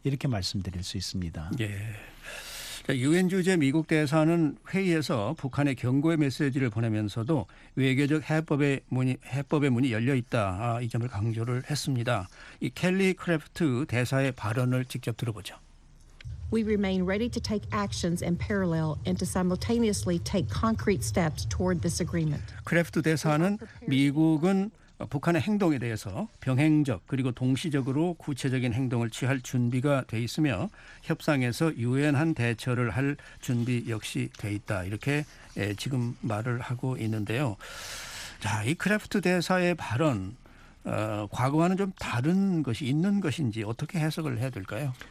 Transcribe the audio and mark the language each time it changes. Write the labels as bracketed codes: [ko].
[ko] 이렇게 말씀드릴 수 있습니다. 예. 자, 유엔 주재 미국 대사는 회의에서 북한의 경고의 메시지를 보내면서도 외교적 해법의 문이 열려 있다. 이 점을 강조를 했습니다. 이 켈리 크래프트 대사의 발언을 직접 들어보죠. [en] We remain ready to take actions in parallel and to simultaneously take concrete steps toward this agreement. [ko] 크래프트 대사는 미국은 북한의 행동에 대해서 병행적 그리고 동시적으로 구체적인 행동을 취할 준비가 돼 있으며 협상에서 유연한 대처를 할 준비 역시 돼 있다. 이렇게 지금 말을 하고 있는데요. 자, 이 크래프트 대사의 발언 과거와는 좀 다른 것이 있는 것인지 어떻게 해석을 해야 될까요?